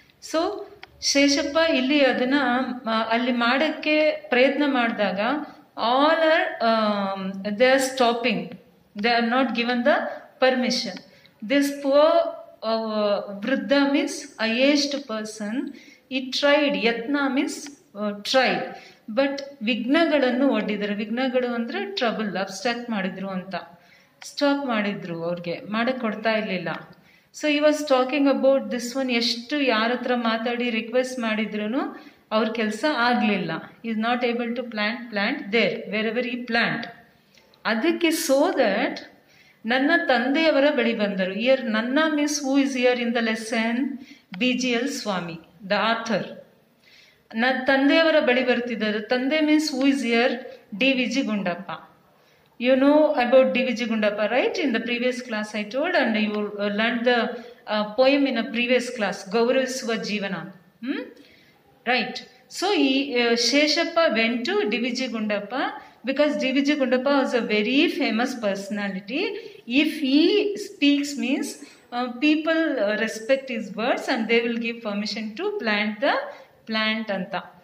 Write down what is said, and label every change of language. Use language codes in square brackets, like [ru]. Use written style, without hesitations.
[en] So [kn] Sheshappa illi adana alli madakke prayatna madadaga [en] all are they are stopping, they are not given the permission. This poor vriddha means aged person, he tried. Yatna means try, but [kn] ವಿಘ್ನಗಳನ್ನು ಒಡ್ಡಿದರು. ವಿಘ್ನಗಳು ಅಂದರೆ trouble, abstract ಮಾಡಿದ್ರು ಅಂತ, stop ಮಾಡಿದ್ರು, ಅವ್ರಿಗೆ ಮಾಡಕ್ಕೆ ಕೊಡ್ತಾ ಇರಲಿಲ್ಲ. [en] so he was talking about this one, [kn] ಎಷ್ಟು ಯಾರ ಹತ್ರ ಮಾತಾಡಿ ರಿಕ್ವೆಸ್ಟ್ ಮಾಡಿದ್ರು ಅವ್ರ ಕೆಲಸ ಆಗಲಿಲ್ಲ. [en] Is not able to plant there wherever ಈ plant. ಅದಕ್ಕೆ so that [kn] ನನ್ನ ತಂದೆಯವರ ಬಳಿ ಬಂದರು. [en] Here ನನ್ನ means who is here in the lesson? BGL Swami, the author. [kn] ನನ್ನ ತಂದೆಯವರ ಬಳಿ ಬರ್ತಿದ್ದಾರೆ. [en] ತಂದೆ means who is here? D.V.G. Gundappa. You know about D.V.G. Gundappa, right? In the previous class I told, and you learned the poem in a previous class, Gaurasva Jeevana. Right. So Sheshappa went to D.V.G. Gundappa because D.V.G. Gundappa was a very famous personality. If he speaks means people respect his words and they will give permission to plant the plant anta.